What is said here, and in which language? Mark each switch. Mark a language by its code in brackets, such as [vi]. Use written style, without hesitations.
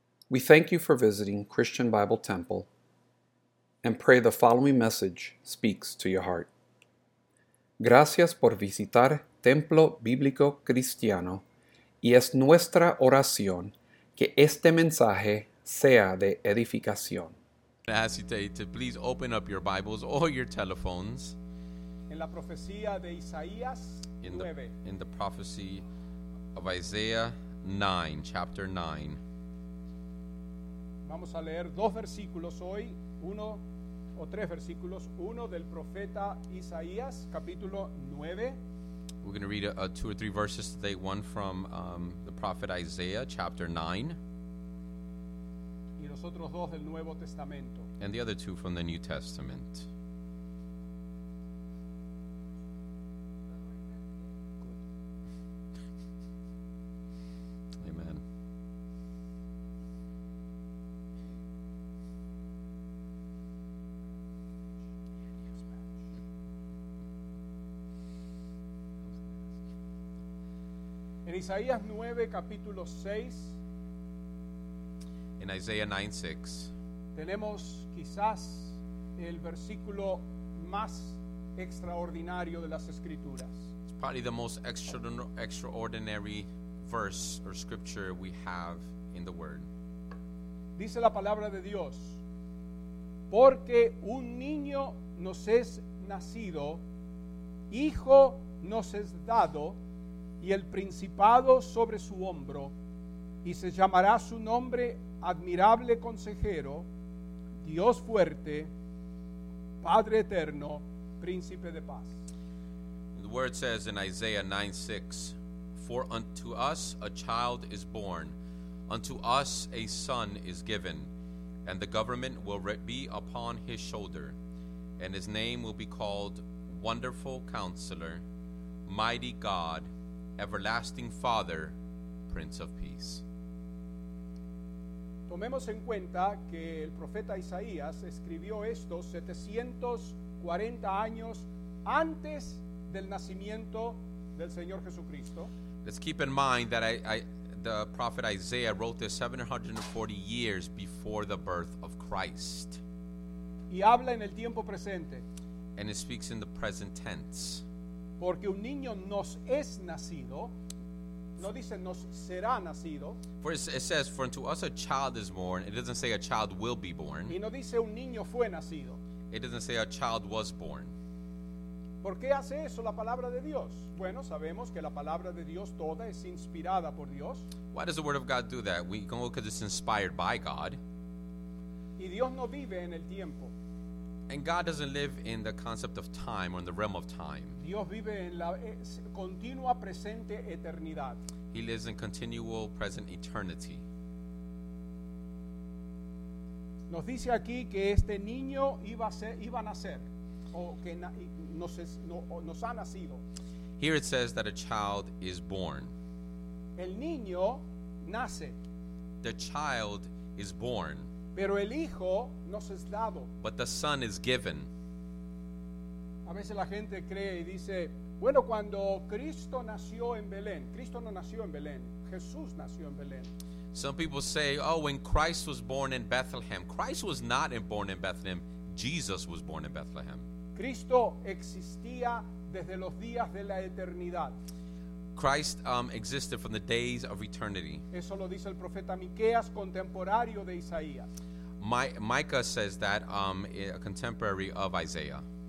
[en] We thank you for visiting Christian Bible Temple and pray the following message speaks to your heart. [es] Gracias por visitar Templo Bíblico Cristiano y es nuestra oración que este mensaje sea de edificación. [en] I ask you to please open up your Bibles or your telephones. [es] En la profecía de Isaías 9. [en] In the prophecy of Isaiah 9, chapter 9. [es] Vamos a leer dos versículos hoy, uno o tres versículos, uno del profeta Isaías, capítulo 9. [en] We're going to read two or three verses today, one from the prophet Isaiah, chapter 9. [es] Y los otros dos del Nuevo Testamento. [en] And the other two from the New Testament. [es] En Isaías 9, capítulo 6. [en] In Isaiah 9, 6. [es] Tenemos quizás el versículo más extraordinario de las Escrituras. [en] It's probably the most extraordinary verse or scripture we have in the Word. [es] Dice la palabra de Dios, porque un niño nos es nacido, hijo nos es dado, y el principado sobre su hombro, y se llamará su nombre Admirable Consejero, Dios Fuerte, Padre Eterno, Príncipe de Paz. [en] The word says in Isaiah 9:6, for unto us a child is born, unto us a son is given, and the government will be upon his shoulder, and his name will be called Wonderful Counselor, Mighty God, Everlasting Father, Prince of Peace. [es] Tomemos en cuenta que el profeta Isaías escribió esto 740 años antes del nacimiento del Señor Jesucristo. [en] Let's keep in mind that the prophet Isaiah wrote this 740 years before the birth of Christ. [es] Y habla en el tiempo presente. [en] And it speaks in the present tense. [es] Porque un niño nos es nacido, no dice nos será nacido. [en] For it says, for unto us a child is born. It doesn't say a child will be born. [es] Y no dice un niño fue nacido. [en] It doesn't say a child was born. [es] ¿Por qué hace eso la palabra de Dios? Bueno, sabemos que la palabra de Dios toda es inspirada por Dios. [en] Why does the word of God do that? We go because it's inspired by God. [es] Y Dios no vive en el tiempo. [en] And God doesn't live in the concept of time or in the realm of time. [es] Dios vive en la continua presente eternidad. [en] He lives in continual present eternity. [es] Nos dice aquí que este niño iba a nacer o que nos ha nacido. [en] Here it says that a child is born. [es] El niño nace. [en] The child is born. [es] Pero el hijo nos es dado. [en] But the son is given. [es] A veces la gente cree y dice, bueno, cuando Cristo nació en Belén, Cristo no nació en Belén, Jesús nació en Belén. [en] Some people say, oh, when Christ was born in Bethlehem, Christ was not born in Bethlehem, Jesus was born in Bethlehem. [es] Cristo existía desde los días de la eternidad. [en] Christ existed from the days of eternity. [es] Eso lo dice el profeta Miqueas, contemporáneo de Isaías. [en] Micah says that, a contemporary of Isaiah.